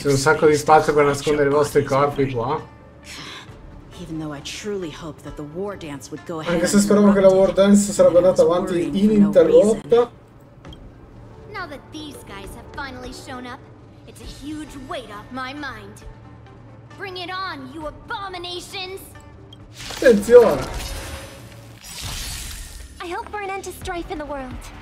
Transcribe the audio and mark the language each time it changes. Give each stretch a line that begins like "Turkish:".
English: space.
Italian: C'è un sacco di spazio per nascondere i vostri corpi qua.
English: Even though I truly hope that the war dance would go ahead.
Italian: Anche se speriamo che la war dance sarà andata avanti ininterrotta.
English: Now that these guys have finally shown up, it's a huge weight off my mind. Bring it on, you abominations!
Italian: Attenzione!
English: I hope for an end to strife in the world.